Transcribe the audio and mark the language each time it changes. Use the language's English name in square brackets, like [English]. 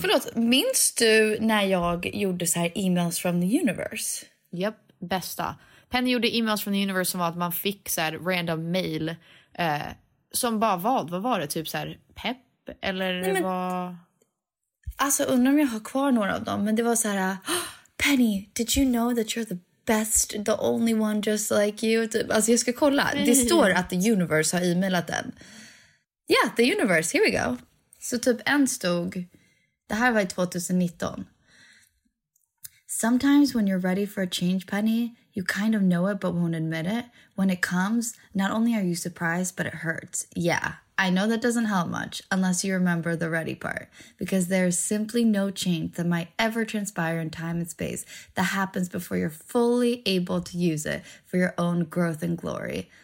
[Swedish] Förlåt, minns du när jag gjorde så här [English] emails from the universe? [Swedish] Japp, bästa. Penny gjorde [English] emails from the universe [Swedish] som var att man fick så här random mail. Som bara vad? Vad var det? Typ så här pepp? Eller nej, men, vad? Alltså, undrar om jag har kvar några av dem. Men det var så här... [English] Penny, did you know that you're the best, the only one just like you? [Swedish] Typ. Alltså, jag ska kolla. Det står att [English] the universe [Swedish] har emailat den. [English] Yeah, the universe, here we go. [Swedish] Så typ en stod, det här var i 2019. [English] Sometimes when you're ready for a change, Penny, you kind of know it but won't admit it. When it comes, not only are you surprised, but it hurts. Yeah, I know that doesn't help much unless you remember the ready part. Because there is simply no change that might ever transpire in time and space that happens before you're fully able to use it for your own growth and glory.